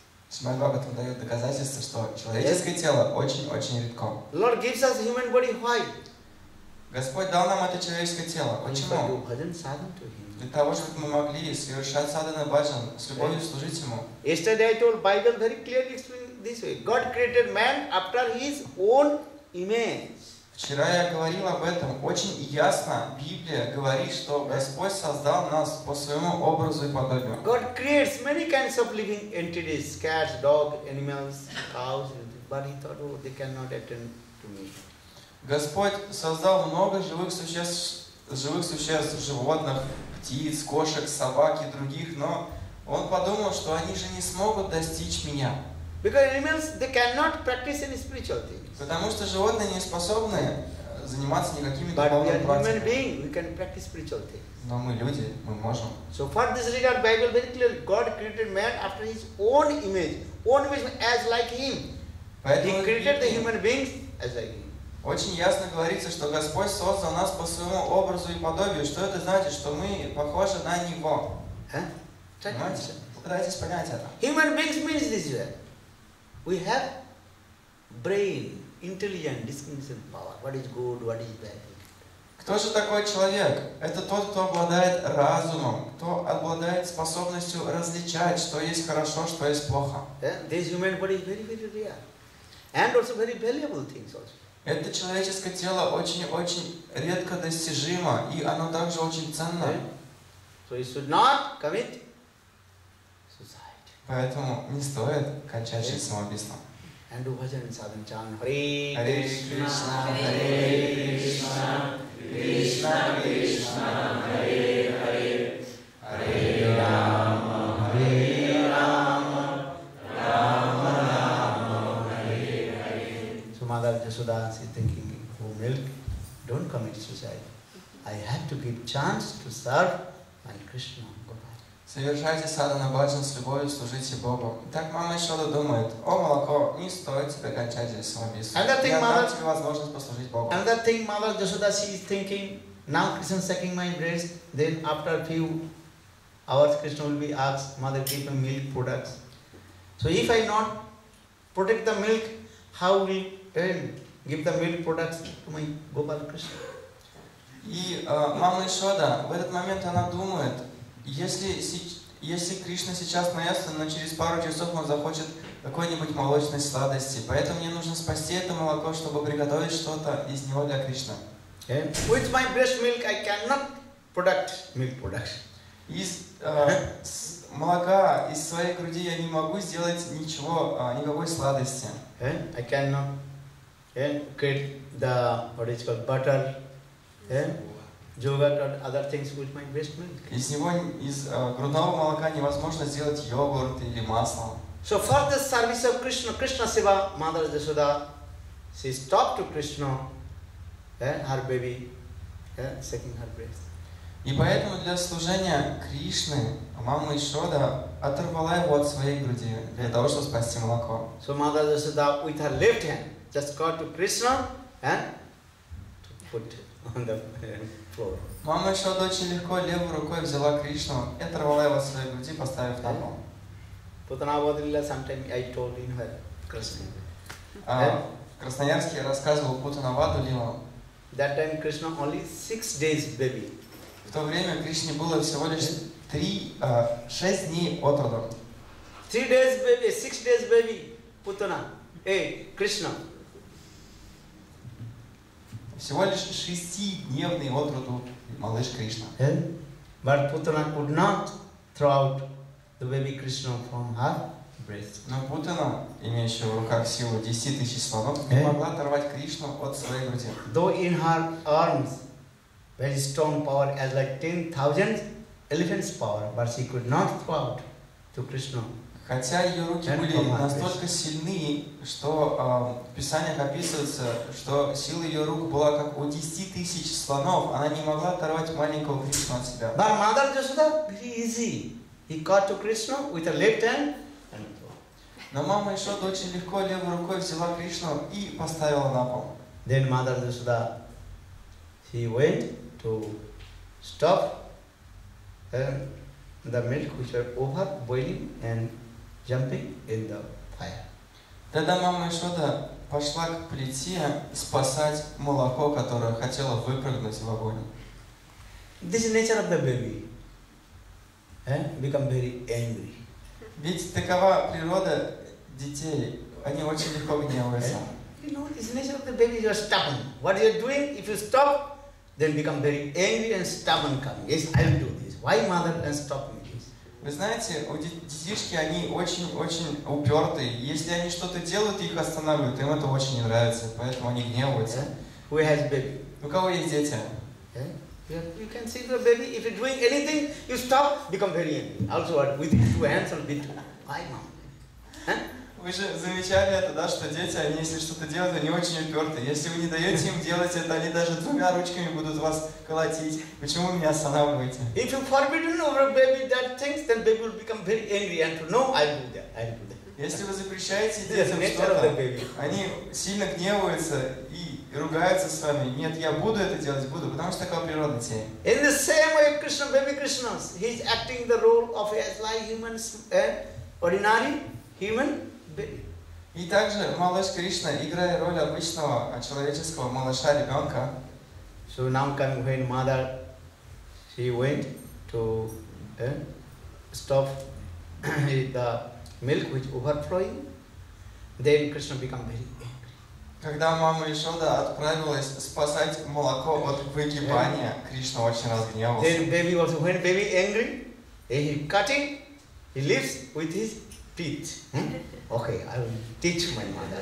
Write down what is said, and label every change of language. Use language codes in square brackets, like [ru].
[ru] Шримад Бхагаватам дает доказательство, что человеческое тело очень-очень редко. [en] Lord gives us human body. Why? [ru] Господь дал нам это человеческое тело. Почему? Для того, чтобы мы могли совершать садхана бхаджан, с любовью служить ему. [en] Yesterday I told Bible very clearly explaining this way. God created man after his own image. [ru] Вчера я говорил об этом. Очень ясно Библия говорит, что Господь создал нас по своему образу и подобию. [en] God creates many kinds of living entities, cats, dogs, animals, cows, but he thought, oh, they cannot attend to me. [ru] Господь создал много живых существ, животных, птиц, кошек, собак и других, но он подумал, что они же не смогут достичь меня. [en] Because animals, they cannot practice any spiritual things. [ru] Потому что животные не способны заниматься никакими духовными практиками. [en] But we are human beings, we can practice spiritual things. [ru] Но мы люди, мы можем. [en] So for this regard, Bible very clearly, God created man after his own image, own image as like him. [ru] Поэтому [en] he created the human beings as like him. [ru] Очень ясно говорится, что Господь создал нас по своему образу и подобию. Что это значит? Что мы похожи на Него. Попытайтесь понять это. [en] Human beings means this way. We have brain, intelligence, discrimination power. What is good, what is bad? [ru] Кто же такой человек? Это тот, кто обладает разумом, кто обладает способностью различать, что есть хорошо, что есть плохо. [en] This human body is very, very rare, and also very valuable things also. [ru] Это человеческое тело очень-очень редко достижимо, и оно также очень ценно. [en] So you should not commit. [ru] Поэтому не стоит кончать жизнь самоубийством. [en] and do bhajan and sadhana chant. [sa] Hare Krishna, Hare Krishna, Hare Krishna, Krishna Krishna, Hare Hare, Hare Rama, Hare Rama, Rama Rama, Hare Hare. [en] So Mother Yashoda is thinking, oh milk, don't commit suicide. I have to give chance to serve my Krishna. [ru] Совершайте садхана бхаджан с любовью, служите Богу. Итак, мама Яшода думает, о, молоко, не стоит тебе кончать здесь самоубийство. Я дам тебе возможность послужить Богу. [en] Another thing, Mother Yashoda, she is thinking, now Krishna is taking my grace, then after a few hours, Krishna will be asked, Mother, keep my milk products. So if I not protect the milk, how will I give the milk products to my Gopal Krishna? [ru] И мама Яшода в этот момент она думает, Если Кришна сейчас наест, но через пару часов он захочет какой-нибудь молочной сладости, поэтому мне нужно спасти это молоко, чтобы приготовить что-то из него для Кришны. [en] Okay. With my breast milk I cannot product milk products. [ru] Из молока из своей груди я не могу сделать ничего, никакой сладости. [en] Okay. I cannot create the what is called butter. Okay. Yogurt or other things with my breast milk. [ru] Из него, из грудного молока невозможно сделать йогурт или масло. [en] So for the service of Krishna, Krishna Seva, Mother Yashoda, she stopped to Krishna, her baby, sucking her breast. [ru] И поэтому для служения Кришны мама Яшода оторвала его от своей груди для того, чтобы спасти молоко. [en] So Mother Yashoda with her left hand just got to Krishna and to put on the [ru] Мама еще очень легко левой рукой взяла Кришну и оторвала его от своей груди, поставив на пол. [en] Путанабодрилла, sometime I told in her Krishna. [ru] В Красноярске я рассказывал Путанабодрилла. [en] That time Krishna only 6 days baby. [ru] В то время Кришне было всего лишь 6 дней от роду. [en] 3 days baby, 6 days baby, Путана, Krishna. [ru] Всего лишь 6-дневный отрод у малыш Кришна. [en] But Putana could not throw out the baby Krishna from her breast. [ru] Но Путана, имеющая в руках силу 10 000 слонов, не могла оторвать Кришну от своей груди. [en] Though in her arms very strong power as like 10,000 elephants power, but she could not throw out to Krishna. [ru] Хотя ее руки были настолько сильны, что в Писаниях описывается, что сила ее рук была как у 10 000 слонов, она не могла оторвать маленького Кришну от себя. [en] But Mother Yashoda very easy. He got to Krishna with a left hand. [ru] Но мама Яшода очень легко левой рукой взяла Кришну и поставила на пол. [en] Then Mother Yashoda, he went to stop the milk which was over boiling and jumping in the fire. [ru] Тогда мама Яшода пошла к плите спасать молоко, которое хотело выпрыгнуть в огонь. [en] This is nature of the baby. Become very angry. [ru] Ведь такова природа детей. Они очень легко гневаются. [en] You know, this is nature of the baby. You are stubborn. What you are doing? If you stop, then become very angry and stubborn. Come, yes, I will do this. Why mother can stop me? [ru] Вы знаете, у детишки они очень-очень упертые. Если они что-то делают, их останавливают, им это очень не нравится, поэтому они гневаются. [en] Who has baby? [ru] У кого есть дети? [en] You can see your baby. If you're doing anything, you stop, become very angry. Also, with two hands or bit. Why, mom? [ru] Вы же замечали это, да, что дети, они если что-то делают, они очень упертые. Если вы не даете им делать это, они даже двумя ручками будут вас колотить. Почему вы меня останавливаете? [en] If you forbidden over a baby that thinks, then baby will become very angry and to know I'll do that. [ru] Если вы запрещаете детям что-то, они сильно гневаются и ругаются с вами. Нет, я буду это делать, буду, потому что такова природа детей. [en] In the same way, Krishna, baby Krishna, he's acting the role of as like humans, ordinary human. [ru] И также малыш Кришна играет роль обычного человеческого малыша ребенка. [en] So now came when mother, she went to stop the milk which overflowing. Then Krishna became very angry. [ru] Когда мама Яшода отправилась спасать молоко от выгибания, Кришна очень разгневался. [en] Then baby was when baby angry, he cutting, he leaves with his pit. Okay, I will teach my mother.